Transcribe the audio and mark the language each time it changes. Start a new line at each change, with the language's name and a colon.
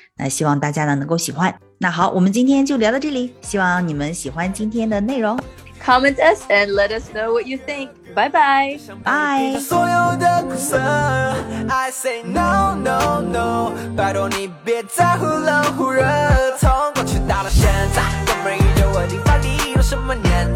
Chinese: 那希望大家呢能够喜欢。那好，我们今天就聊到这里，希望你们喜欢今天的内容。
English: Comment us and let us know what you think. Bye bye. Bye.
Chinese: 所有的苦涩
English: I say no, no, no.
Chinese: 拜托你别再忽冷忽热，从过去到了现在，都没有问题，到底有什么你